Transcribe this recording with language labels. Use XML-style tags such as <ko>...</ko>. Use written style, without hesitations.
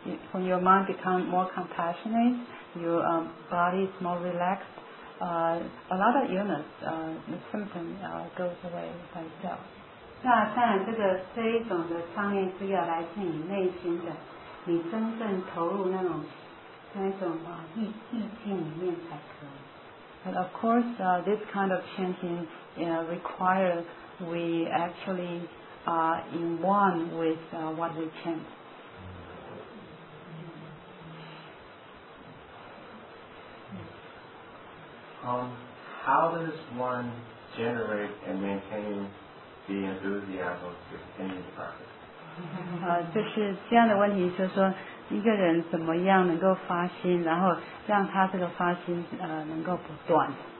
<en>When your mind becomes more compassionate, your body is more relaxed. A lot of illness, the symptom goes away by itself.</en> <zh>那当然这个这一种的上面是要来自你内心的，你真正投入那种那种啊意境里面才可以。</zh> <en>But of course, this kind of chanting require we actually are in one with what we chant. How does one generate and maintain the enthusiasm in the practice?</en> <zh>就是这样的问题，就是说一个人怎么样能够发心，然后让他这个发心能够不断。</zh>